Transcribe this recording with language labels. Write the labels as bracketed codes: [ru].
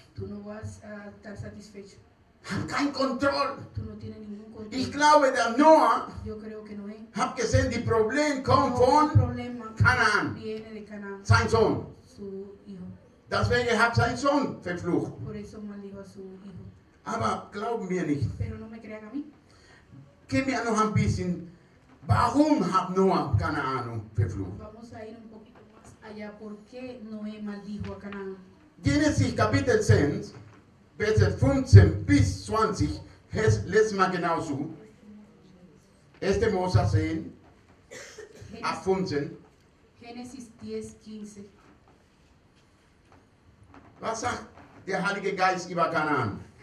[es] Tú no vas a estar satisfecho. [de] Hab kein Kontroll. [es] Tú no tienes ningún control. [de] Ich glaube, dass Noah. [es] Yo creo que Noé. [de] Hab gesehen, die Problem kommt von Canaan. [es] Viene de Canaan. [de] Sein Sohn. [es] Su hijo. [de] Deswegen hat sein Sohn verflucht. [es] Por eso maldijo a su hijo. [de] Aber glauben mir nicht. [es] Pero no me crean a mí. [de] Gib mir noch ein bisschen. Warum hat Noah Canaan verflucht? [es] Vamos a ir un poquito más allá. ¿Por qué Noé maldijo a Canaan? [de] Genesis Kapitel 10. Verse 15 bis 20, lest mal genau zu. 1. Mose 10, ab 15. [es] Genesis 10, 15. [de] Was sagt der Heilige Geist über Canaan?